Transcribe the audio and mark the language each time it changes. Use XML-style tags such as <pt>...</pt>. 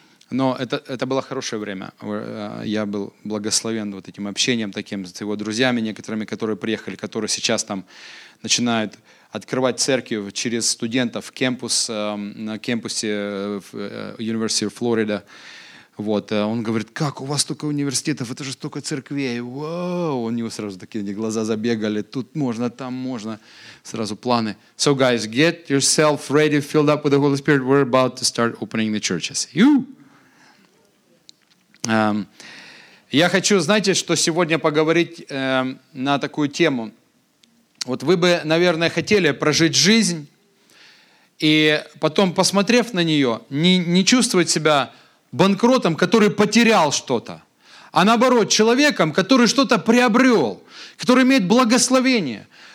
<ru>Но это было хорошее время. Я был благословен вот этим общением таким с его друзьями некоторыми, которые приехали, которые сейчас там начинают открывать церкви через студентов кемпус, на кемпусе University of Florida. Вот, он говорит, как у вас столько университетов, это же столько церквей. Воу! У него сразу такие глаза забегали. Тут можно, там можно. Сразу планы.</ru> <en>So guys, get yourself ready, filled up with the Holy Spirit. We're about to start opening the churches. You!</en> <ru>Я хочу, знаете, что сегодня поговорить на такую тему. Вот вы бы, наверное, хотели прожить жизнь и потом, посмотрев на нее, не чувствовать себя банкротом, который потерял что-то, а наоборот, человеком, который что-то приобрел, который имеет благословение.</ru>